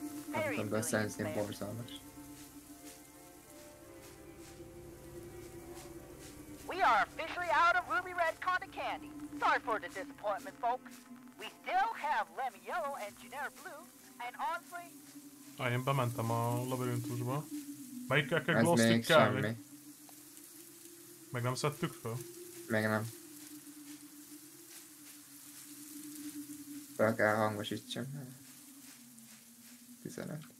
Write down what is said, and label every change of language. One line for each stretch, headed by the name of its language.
Hungarian: Nem tudom, beszélni, borzalmas.
English: We are officially out of Ruby Red Conda Candy. Sorry for the disappointment, folks. We still have Lemon Yellow and Generic Blue, and honestly...
Hungarian: Ah, én bementem a labirintusba. Melyikkel kell glow stick-kel? Ez még semmi. Meg nem szedtük fel? Meg nem. Fel kell hangosítsam. 15.